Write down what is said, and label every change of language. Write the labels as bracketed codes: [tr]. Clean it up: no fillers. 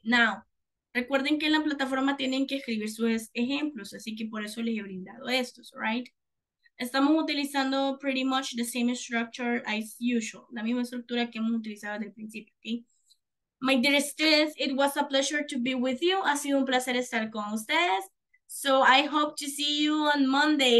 [es] Now, recuerden que en la plataforma tienen que escribir sus ejemplos, así que por eso les he brindado estos, right? Estamos utilizando [en] pretty much the same structure as usual. [es] La misma estructura que hemos utilizado desde el principio, ¿okay? [en] My dear students, it was a pleasure to be with you. [es] Ha sido un placer estar con ustedes. [en] So I hope to see you on Monday.